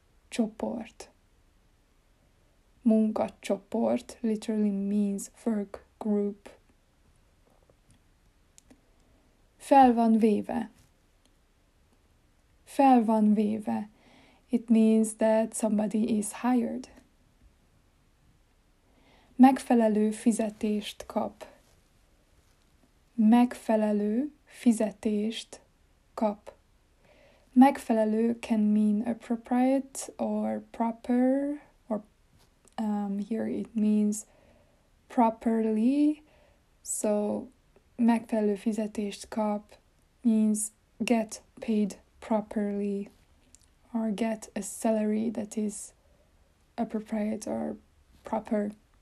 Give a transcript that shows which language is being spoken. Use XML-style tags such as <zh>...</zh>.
<en>Csoport. Munkacsoport literally means work group.</en> <hu>Fel van véve. Fel van véve.</hu> <en>It means that somebody is hired.</en> <hu>Megfelelő fizetést kap. Megfelelő fizetést kap.</hu> <en>Megfelelő can mean appropriate or proper. Or here it means properly. So</en> <hu>megfelelő fizetést kap</hu> <en>means get paid properly or get a salary that is appropriate or proper.</en>